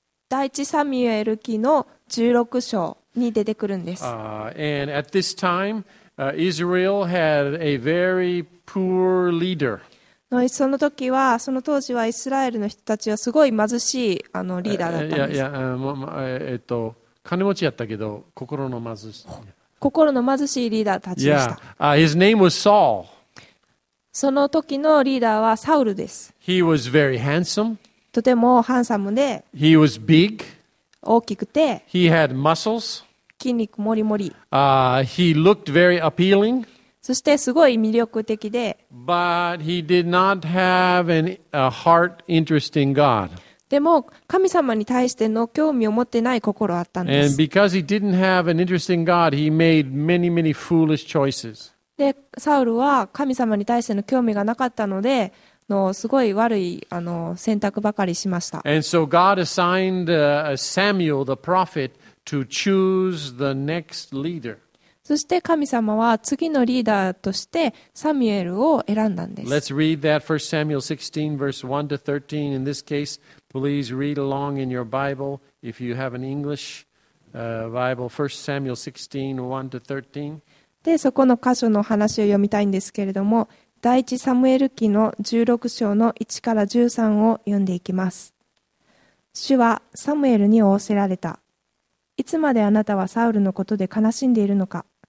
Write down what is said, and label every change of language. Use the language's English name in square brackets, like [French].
[Japanese] 第一サミュエル記の16章に出てくるんです。 [English] And at this time,Israel had a very poor leader. [Japanese] その時は、その当時はイスラエルの人たちはすごい貧しいリーダーだったんです。金持ちやったけど、心の貧しい。心の貧しいリーダーたちでした。 [English] Yeah. His name was Saul. [Japanese] その時のリーダーはサウルです。 [English] He was very handsome. [Japanese] とてもハンサムで。 [English] He was big. [Japanese] 大きくて。 [English] He had muscles. [Japanese] 筋肉もりもり。 [English] He looked very appealing. [Japanese] そしてすごい魅力的で。 [English] But he did not have a heart interest in God. [Japanese] でも神様に対しての興味を持ってない心あったんです。 [English] And because he didn't have an interest in God, he made many, many foolish choices. [Japanese] で、サウルは神様に対しての興味がなかったので、すごい悪い選択ばかりしました。 [English] And so God assigned Samuel, the prophet,To choose the next leader. [Japanese] そして神様は次のリーダーとしてサミュエルを選んだんです。 [English] Let's read that 1 Samuel 16 verse 1 to 13. In this case, please read along in your Bible if you have an English Bible. 1 Samuel 16 1 to 13. [Japanese] で、そこの箇所の話を読みたいんですけれども、第一サムエル記の16章の1から13を読んでいきます。主はサムエルに仰せられた。いつまであなたはサウルのことで悲しんでいるのか。